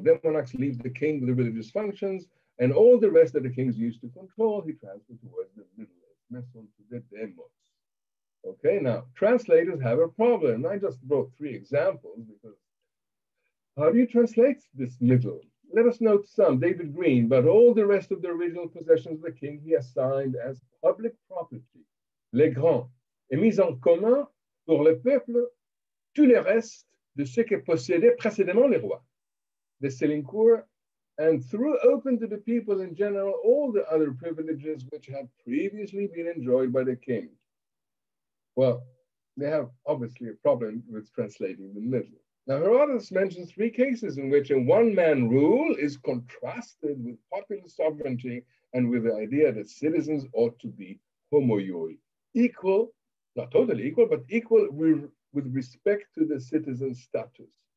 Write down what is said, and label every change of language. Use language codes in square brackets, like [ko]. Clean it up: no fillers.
[en] Demonax leaves the king with the religious functions, and all the rest that the kings used to control, he transfers towards the middle, meson to the demos. Okay, now translators have a problem. I just brought three examples because how do you translate this middle? Let us note some. David Green, but all the rest of the original possessions of the king he assigned as public property. [fr] Les grands, et mis en commun pour le peuple tous les restes de ce que possédaient précédemment les rois. [en] The Selincourt, and threw open to the people in general all the other privileges which had previously been enjoyed by the king. Well, they have obviously a problem with translating the middle. Now, Herodotus mentions three cases in which a one-man rule is contrasted with popular sovereignty and with the idea that citizens ought to be homoioi, equal, not totally equal, but equal with respect to the citizen status.